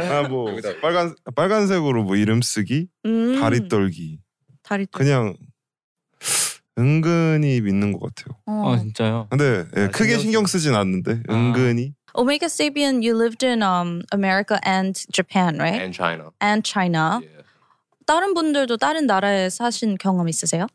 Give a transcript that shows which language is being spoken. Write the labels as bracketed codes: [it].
[ko] 뭐 빨간색으로 뭐 이름 쓰기, 다리 떨기. 다리 떨. 그냥 은근히 믿는 것 같아요. 아 진짜요? 근데 예, 크게 신경 쓰진 않는데 은근히. [en] Omega Sabian, you lived in America and Japan, right? And China. And China. Yeah. [ko] 다른 분들도 다른 나라에 사신 경험 있으세요?